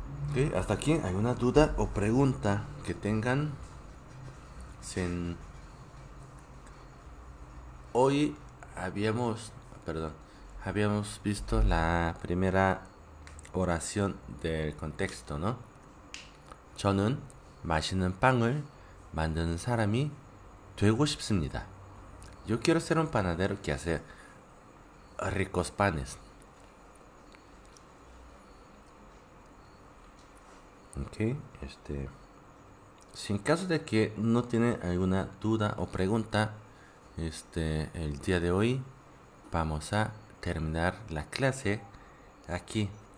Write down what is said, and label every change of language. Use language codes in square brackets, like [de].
[es] Okay, hasta aquí, ¿alguna duda o pregunta que tengan? Sin... Hoy habíamos, perdón, habíamos visto la primera oración del contexto, ¿no? [ko] 저는 맛있는 빵을 만드는 사람이 되고 싶습니다. [es] Yo quiero ser un panadero que hace ricos panes. Okay, si en caso de que no tiene alguna duda o pregunta, el día de hoy vamos a terminar la clase aquí.